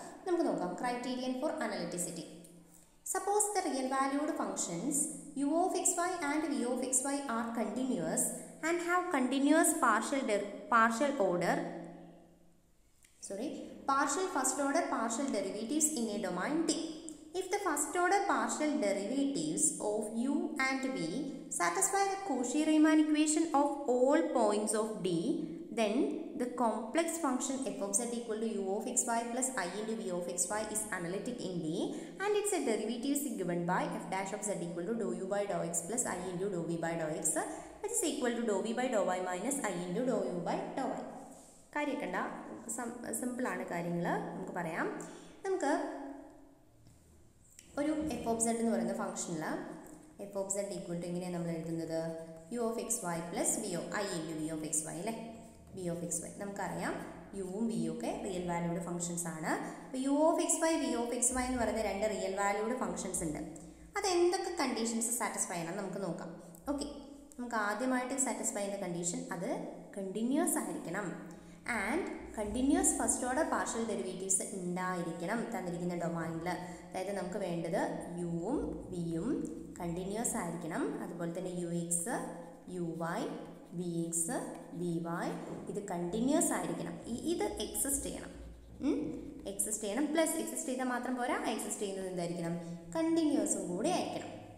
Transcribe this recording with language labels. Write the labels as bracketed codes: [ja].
[ml] നമുക്ക് നോക്കാം [en] Criterion for analyticity. Suppose the real valued functions u of x y and v of x y are continuous and have continuous partial order partial first order partial derivatives in a domain D. If the first order partial derivatives of u and v satisfy the Cauchy-Riemann equation of all points of D, then the complex function f of z equal to u of xy plus I into v of xy is analytic in D, and its derivative is given by f dash of z equal to dou u by dou x plus I into dou v by dou x, which is equal to dou v by dou y minus I into dou u by dou y. [ml] കാര്യക്കണ്ട, സിമ്പിളാണ് കാര്യങ്ങൾ. നമുക്ക് പറയാം, നമുക്ക് ഒരു F of Z എന്ന് പറയുന്ന ഫംഗ്ഷനിൽ F of Z equal to ഇങ്ങനെയാണ് നമ്മൾ എഴുതുന്നത്, U of X Y plus V O I into V of X Y അല്ലേ. വി ഓഫ് എക്സ് വൈ നമുക്കറിയാം യുവും വിയും ഒക്കെ റിയൽ വാല്യൂഡ് ഫംഗ്ഷൻസ് ആണ്. U of X Y V of X Y എന്ന് പറയുന്ന രണ്ട് റിയൽ വാല്യൂഡ് ഫംഗ്ഷൻസ് ഉണ്ട്. അത് എന്തൊക്കെ കണ്ടീഷൻസ് സാറ്റിസ്ഫൈ ചെയ്യണം നമുക്ക് നോക്കാം. ഓക്കെ, നമുക്ക് ആദ്യമായിട്ട് സാറ്റിസ്ഫൈ ചെയ്യുന്ന കണ്ടീഷൻ അത് കണ്ടിന്യൂസ് ആയിരിക്കണം. [en] And continuous first order partial derivatives [ml] ഉണ്ടായിരിക്കണം തന്നിരിക്കുന്ന ഡൊമൈനിൽ. അതായത് നമുക്ക് വേണ്ടത് യുവും വിയും കണ്ടിന്യൂസ് ആയിരിക്കണം. അതുപോലെ തന്നെ U X U Y V X V Y ഇത് കണ്ടിന്യൂസ് ആയിരിക്കണം. ഇത് എക്സിസ്റ്റ് ചെയ്യണം, എക്സിസ്റ്റ് ചെയ്യണം, പ്ലസ് എക്സിസ്റ്റ് ചെയ്താൽ മാത്രം പോരാ, എക്സിസ്റ്റ് ചെയ്യുന്നത് എന്തായിരിക്കണം, കണ്ടിന്യൂസും കൂടി ആയിരിക്കണം.